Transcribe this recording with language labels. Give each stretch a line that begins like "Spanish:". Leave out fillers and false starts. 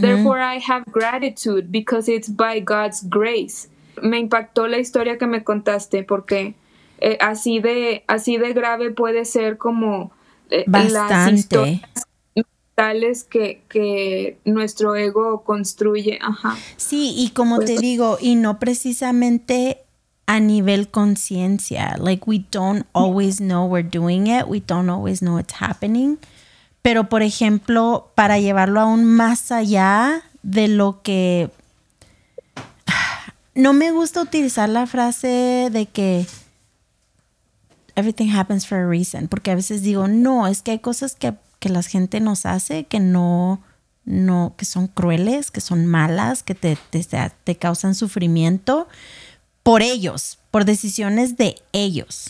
English: Therefore, I have gratitude because it's by God's grace.
Spanish: Me impactó la historia que me contaste, porque así de grave puede ser como bastante las historias mentales que nuestro ego construye. Ajá. Sí, y como pues, te digo, y no precisamente a nivel conciencia.
English: Like, we don't always know we're doing it. We don't always know it's happening.
Spanish: Pero, por ejemplo, para llevarlo aún más allá de lo que... No me gusta utilizar la frase de que
English: everything happens for a reason.
Spanish: Porque a veces digo, no, es que hay cosas que la gente nos hace que no que son crueles, que son malas, que te causan sufrimiento por ellos, por decisiones de ellos.